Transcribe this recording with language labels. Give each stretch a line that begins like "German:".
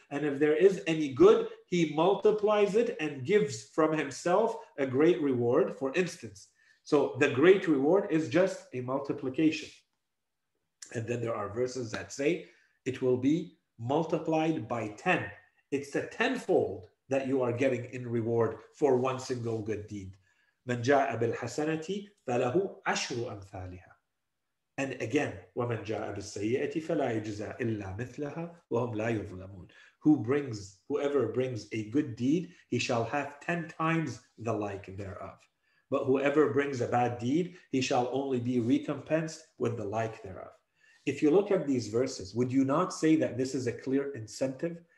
English: And if there is any good, he multiplies it and gives from himself a great reward, for instance. So the great reward is just a multiplication. And then there are verses that say it will be multiplied by 10. It's a tenfold that you are getting in reward for one single good deed.
Arabic: من جاء بالحسنات فله عشر أمثالها.
English: And again,
Arabic: ومن جاء بالسيئة فلا يجزى إلا مثلها وهم لا يظلمون.
English: Whoever brings a good deed, he shall have 10 times the like thereof. But whoever brings a bad deed, he shall only be recompensed with the like thereof. If you look at these verses, would you not say that this is a clear incentive?